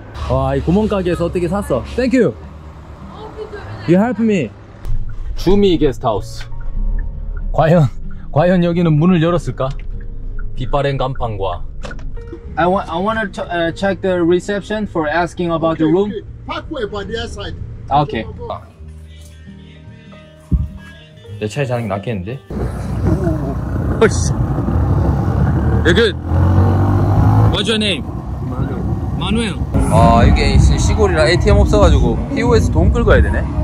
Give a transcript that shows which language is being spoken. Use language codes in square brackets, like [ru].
[ko] 와, 이 구멍가게에서 어떻게 샀어? [en] Thank you. You help me. 주미 게스트하우스. [ko] 과연 여기는 문을 열었을까? 빛바랜 간판과. [en] I want to check the reception for asking about the room. Parkway by the other side. Okay. [ko] 내 차에 자는 게 낫겠는데? [en] 어이씨. You're good. What's your name? Manuel. [ko] 아, 이게 시골이라 ATM 없어가지고 POS 돈 끌고 가야 되네.